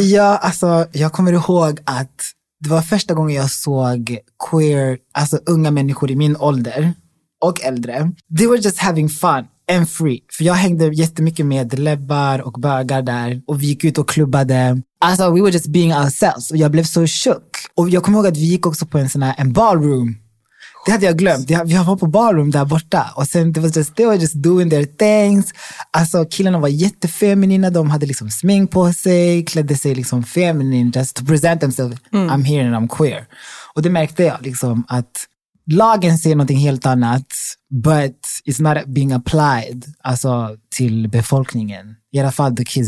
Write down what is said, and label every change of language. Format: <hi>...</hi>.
<sv>Ja, alltså jag kommer ihåg att det var första gången jag såg queer, alltså unga människor i min ålder och äldre.</sv> <en>They were just having fun and free.</en> <sv>För jag hängde jättemycket med lebbar och bögar där och vi gick ut och klubbade. Alltså</sv> <en>we were just being ourselves</en> <sv>och jag blev så chock. Och jag kommer ihåg att vi gick också på en ballroom. Det hade jag glömt. Vi var på ballroom där borta. Och sen</sv> <en>they were just doing their things.</en> <sv>Alltså killarna var jättefeminina. De hade liksom smink på sig. Klädde sig liksom feminine</sv> <en>just to present themselves. I'm here and I'm queer.</en> <sv>Och det märkte jag liksom, att lagen säger något helt annat,</sv> <en>but it's not being applied,</en> <sv>alltså, till befolkningen. I alla fall</sv> <en>the kids.</en>